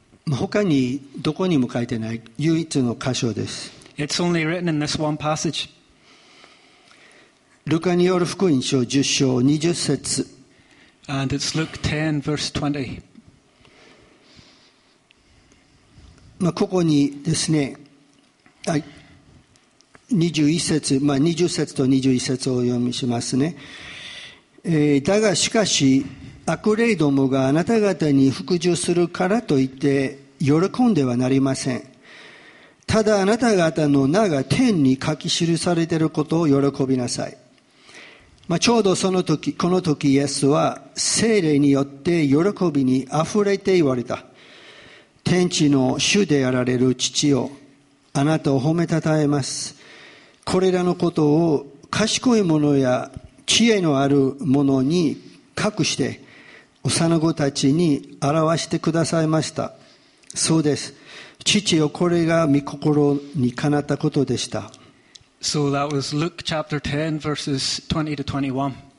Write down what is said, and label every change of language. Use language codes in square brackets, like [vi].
[ja] 他にどこにも書いてない唯一の箇所です。 [en] It's only written in this one passage. [ja] ルカによる福音書10章20節。 [en] And it's Luke 10 verse 20. [ja] まあここにですね、 21節、まあ、20節と21節を読みしますね。だがしかし悪霊どもがあなた方に服従するからといって喜んではなりません。ただあなた方の名が天に書き記されていることを喜びなさい。まあ、ちょうどその時、この時イエスは聖霊によって喜びに溢れて言われた。天地の主であられる父よ、あなたを褒めたたえます。これらのことを賢い者や知恵のある者に隠して、幼子たちに表してくださいました。そうです。父よ、これが御心にかなったことでした。 [en] So that was Luke chapter 10, verses 20 to 21.